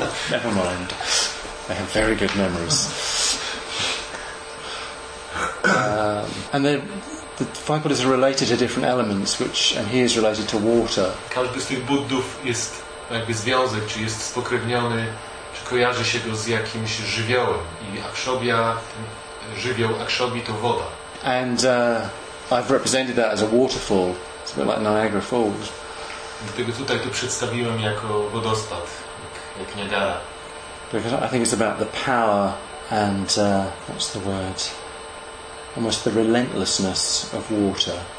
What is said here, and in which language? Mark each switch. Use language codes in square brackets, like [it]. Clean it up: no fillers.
[en] Never mind. I have very good memories. And the five Buddhas are related to different elements, which and he is related to water. [pl] Każdy z tych Buddów jest jakby związek, czy jest spokrewniony, czy kojarzy się go z jakimś żywiołem. I Akshobhya, żywioł Akshobhyi to woda. [en] And I've represented that as a waterfall, it's a bit like Niagara Falls. [pl] Dlatego tutaj to przedstawiłem jako wodospad, jak Niagara. [en] Because I think it's about the power and what's the word? Almost the relentlessness of water.